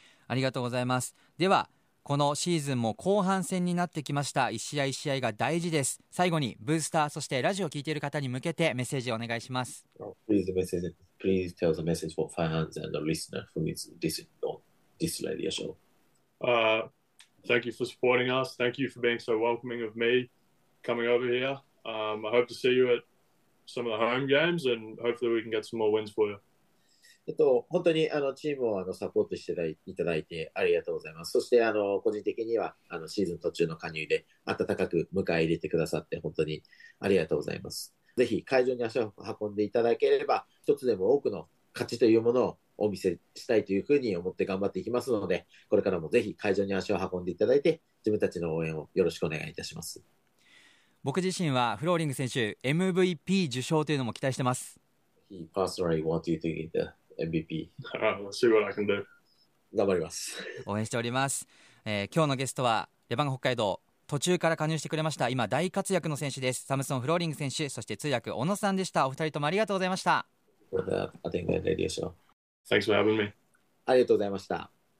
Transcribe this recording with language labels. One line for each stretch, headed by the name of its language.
Japanese: ありがとうございます。ではこのシーズンも後半戦になってきました。一試合一試合が大事です。最後にブースターそしてラジオを聞いている方に向けてメッセージをお願いします。
English: Please tell the message for fans and the listener who is listening on this radio show. Thank you for supporting us. Thank you for being so welcoming of me coming over here. I hope to see you at some of the home games and hopefully we can get some more wins for you.
Japanese: 本当にチームをサポートしていただいてありがとうございます。そして個人的にはシーズン途中の加入で温かく迎え入れてくださって本当にありがとうございます。ぜひ会場に足を運んでいただければ一つでも多くの勝ちというものをお見せしたいというふうに思って頑張っていきますのでこれからもぜひ会場に足を運んでいただいて自分たちの応援をよろしくお願いいたします。僕自身はフローリング選手 MVP 受賞というのも期待してます。
English: He personally wants you to get the MVP. We'll see what I can do.
Japanese: 頑張ります。応援しております。今日のゲストはレバンガ北海道途中から加入してくれました今大活躍の選手です。サムソンフローリング選手そして通訳小野さんでした。お二人ともありがとうございました。アテンガレディオショー
English: Thanks for having me.
Japanese: ありがとうございました。